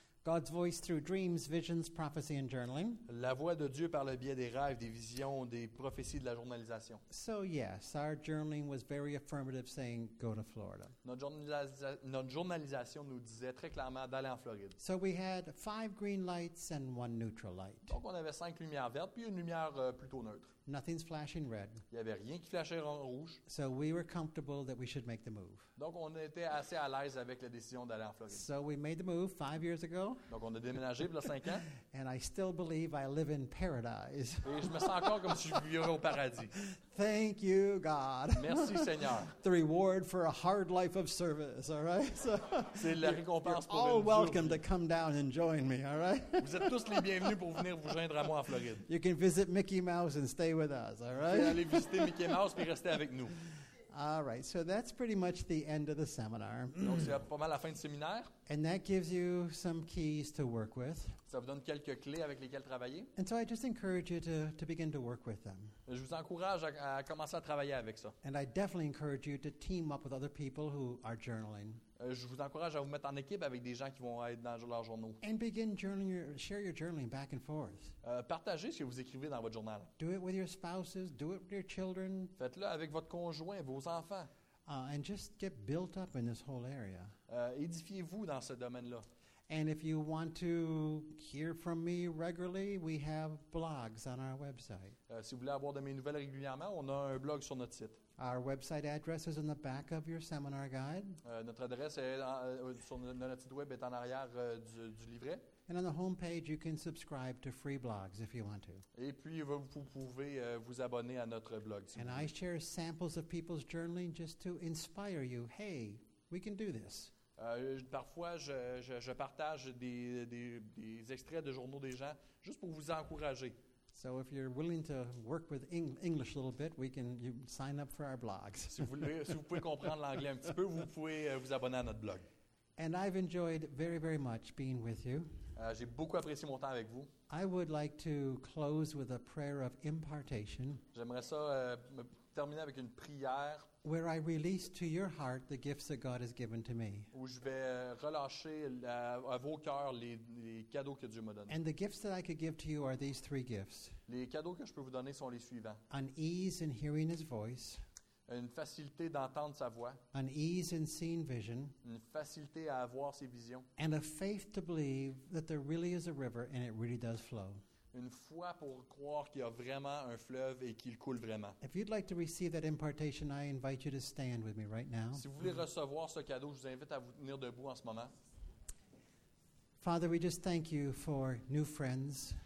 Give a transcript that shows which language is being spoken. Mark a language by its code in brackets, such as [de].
[en] God's voice through dreams, visions, prophecy, and journaling. [fr] La voix de Dieu par le biais des rêves, des visions, des prophéties, de la journalisation. [en] So yes, our journaling was very affirmative, saying go to Florida. [fr] Notre journalisation nous disait très clairement d'aller en Floride. [en] So we had 5 green lights and 1 neutral light. [fr] Donc on avait 5 lumières vertes puis une lumière plutôt neutre. [en] Nothing's flashing red. [fr] Il y avait rien qui flashait en rouge. [en] So we were comfortable that we should make the move. [fr] Donc on était assez à l'aise avec la décision d'aller en Floride. [en] So we made the move 5 years ago. [fr] Donc on a déménagé il y a 5 ans. [en] And I still believe I live in paradise. [fr] Et je me sens encore comme si je vivais au paradis. [en] Thank you, God. [fr] Merci, Seigneur. [en] The reward for a hard life of service, all right? So [fr] c'est la récompense [en] you're [fr] pour [en] all [fr] une [en] welcome [fr] vie. [en] To come down and join me, all right? [fr] Vous êtes tous les bienvenus pour venir vous joindre à moi en Floride. [en] You can visit Mickey Mouse and stay with us, all right? [fr] Allez visiter Mickey Mouse puis rester avec nous. [en] All right, so that's pretty much the end of the seminar. [fr] Donc c'est pas mal la fin du séminaire. [en] And that gives you some keys to work with. [fr] Ça vous donne quelques clés avec lesquelles travailler. [en] And so I just encourage you to begin to work with them. [fr] Je vous encourage à commencer à travailler avec ça. [en] And I definitely encourage you to team up with other people who are journaling. [fr] Je vous encourage à vous mettre en équipe avec des gens qui vont être dans leurs journaux. [en] And begin journaling, share your journaling back and forth. [fr] Partagez ce que vous écrivez dans votre journal. [en] Do it with your spouses, do it with your children. [fr] Faites-le avec votre conjoint, vos enfants. [en] And just get built up in this whole area. [fr] Édifiez-vous dans ce domaine-là. [en] And if you want to hear from me regularly, we have blogs on our website. [fr] Si vous voulez avoir de mes nouvelles régulièrement, on a un blog sur notre site. [en] Our website address is in the back of your seminar guide. [fr] Notre adresse est sur notre site web est en arrière du livret. [en] And on the home page, you can subscribe to free blogs if you want to. [fr] Et puis vous pouvez vous abonner à notre blog. [en] And I share samples of people's journaling just to inspire you. Hey, we can do this. [fr] Parfois, je partage des extraits de journaux des gens juste pour vous encourager. [en] So if you're willing to work with English a little bit, we can sign up for our blogs. [fr] Si vous pouvez comprendre l'anglais un petit peu, vous pouvez vous abonner à notre blog. [en] And I've enjoyed very, very much being with you. [fr] J'ai beaucoup apprécié mon temps avec vous. [en] I would like to close with a prayer of impartation. [fr] J'aimerais ça terminer avec une prière. [en] Where I release to your heart the gifts that God has given to me. [fr] Où je vais relâcher à vos cœurs les cadeaux que Dieu m'a donné. [en] And the gifts that I could give to you are these three gifts. [fr] Les cadeaux que je peux vous donner sont les suivants. [en] An ease in hearing His voice. [fr] Une facilité d'entendre sa voix. [en] An ease in seeing vision. [fr] Une facilité à avoir ses visions. [en] And a faith to believe that there really is a river and it really does flow. [fr] Une foi pour croire qu'il y a vraiment un fleuve et qu'il coule vraiment. [en] If you'd like to receive that impartation, I invite you to stand with me right now. [fr] Si vous voulez recevoir ce cadeau, je vous invite à vous tenir debout en ce moment. [en] Father, we just thank you for new friends.